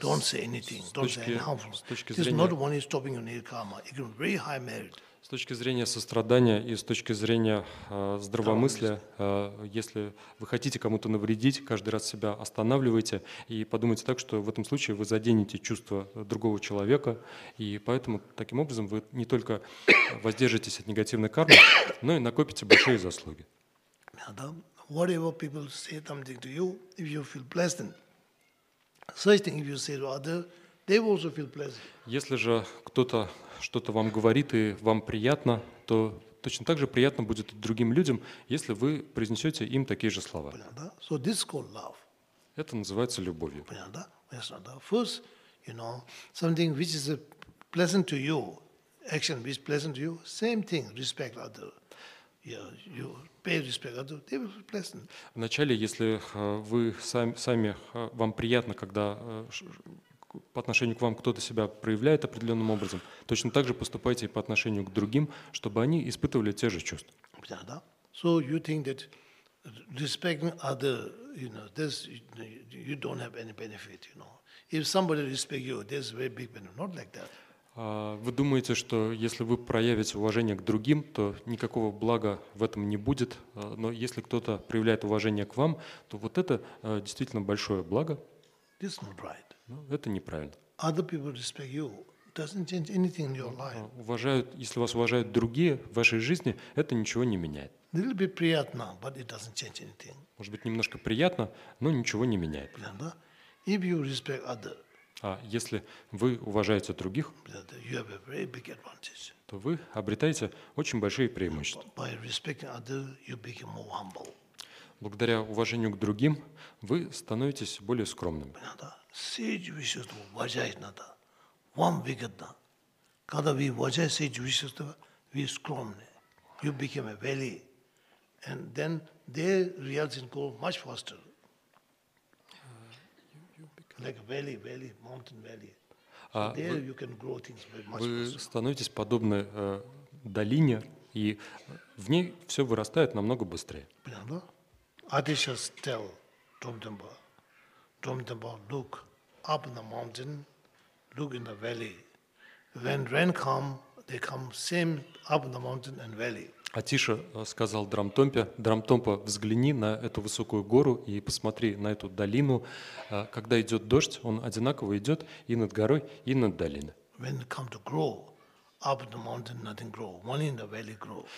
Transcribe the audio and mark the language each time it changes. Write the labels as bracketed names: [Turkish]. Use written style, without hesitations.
[Russian] с точки зрения сострадания и с точки зрения здравомыслия, если вы хотите кому-то навредить, каждый раз себя останавливайте и подумайте так, что в этом случае вы заденете чувства другого человека, и поэтому таким образом вы не только воздержитесь от негативной кармы, но и накопите большие заслуги. [English] Whatever people say something to you, if you feel pleasant, such thing if you say to other, they will also feel pleasant. [Russian] Если же кто-то что-то вам говорит и вам приятно, то точно так же приятно будет другим людям, если вы произнесете им такие же слова. Понятно, да? [English] So this is called love. [Russian] Это называется любовью. Понятно, да? Ясно, да? [English] First, you know, something which is pleasant to you, action which is pleasant to you, same thing, respect other. You pay respect other, they will be pleasant. [Russian] Вначале, если вы сами вам приятно, когда по отношению к вам кто-то себя проявляет определенным образом, точно так же поступайте и по отношению к другим, чтобы они испытывали те же чувства. Да, да. [English] So you think that respecting other, you know, this you don't have any benefit, you know. If somebody respects you, there's very big benefit. Not like that. [Russian] Вы думаете, что если вы проявите уважение к другим, то никакого блага в этом не будет, но если кто-то проявляет уважение к вам, то вот это действительно большое благо. [English] This is not right. [Russian] Ну, это неправильно. [English] Other people respect you. Doesn't change anything in your life. [Russian] Уважают, если вас уважают другие в вашей жизни, это ничего не меняет. [English] A little bit приятно, but it doesn't change anything. [Russian] Может быть, немножко приятно, но ничего не меняет. [English] If you respect other, [Russian] а если вы уважаете других, [English] you have a very big advantage. [Russian] То вы обретаете очень большие преимущества. [English] By respecting other, you become more humble. [Russian] Благодаря уважению к другим, вы становитесь более скромным. Сидеть вещество уважать надо. Вам выгодно. Когда вы уважаете сеть вещества, вы скромны. [English] You become a valley. And then they realize and go much faster. Like valley, mountain valley. So there you can grow things very much faster. [Russian] Вы становитесь подобны долине, и в ней все вырастает намного быстрее. [English] Yeah, no? I just tell Domtenba, look up in the mountain, look in the valley. When rain come, they come same up the mountain and valley. [Russian] Атиша сказал Драмтомпе: Драмтомпа, взгляни на эту высокую гору и посмотри на эту долину. Когда идет дождь, он одинаково идет и над горой, и над долиной. [English] When come to grow, up the mountain nothing grow, only in the valley grow.